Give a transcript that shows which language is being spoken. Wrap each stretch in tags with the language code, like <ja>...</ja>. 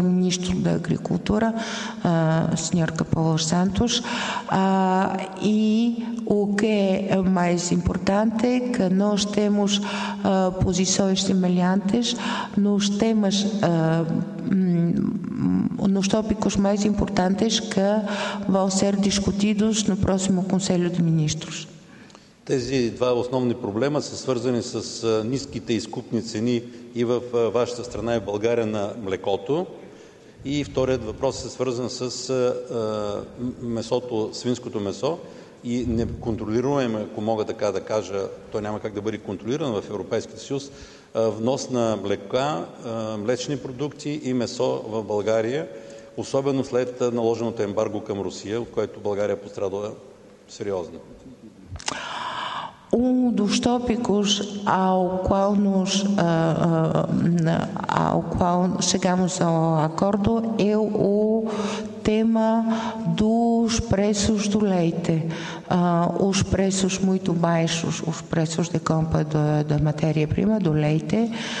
<pt>Ministro da Agricultura, Sr. Capolos Santos, e o que é mais importante é que nós temos posições semelhantes nos temas, nos tópicos mais importantes que vão ser discutidos no próximo Conselho de Ministros.</pt> <bg>Тези два основни проблема са свързани с ниските изкупни цени и в вашата страна и в България на млекото. И вторият въпрос е свързан с месото, свинското месо и неконтролируемо, ако мога така да кажа, то няма как да бъде контролирано в Европейския съюз, внос на млека, млечни продукти и месо в България, особено след наложеното ембарго към Русия, от което България пострада сериозно.</bg> <pt>Um dos tópicos ao qual chegamos ao acordo é o tema dos preços do leite. Os preços muito baixos, os preços de compra da matéria-prima, do leite.</pt>